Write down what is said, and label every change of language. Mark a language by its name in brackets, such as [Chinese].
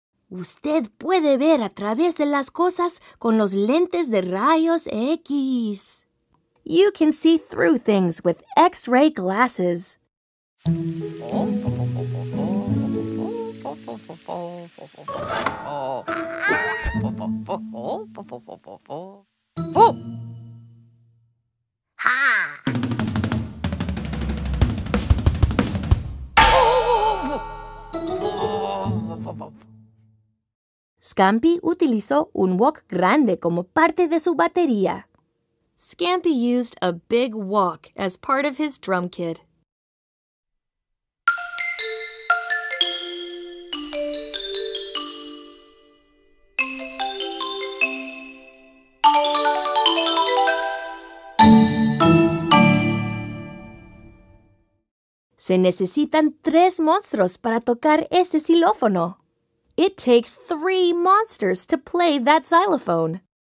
[Spanish] Usted puede ver a través de las cosas con los lentes de rayos X. [English] You can see through things with X-ray glasses. [Spanish] Scampi utilizó un wok grande como parte de su batería. [English] Scampi used a big wok as part of his drum kit. [Spanish] Se necesitan tres monstruos para tocar ese xilófono. [English] It takes three monsters to play that xylophone.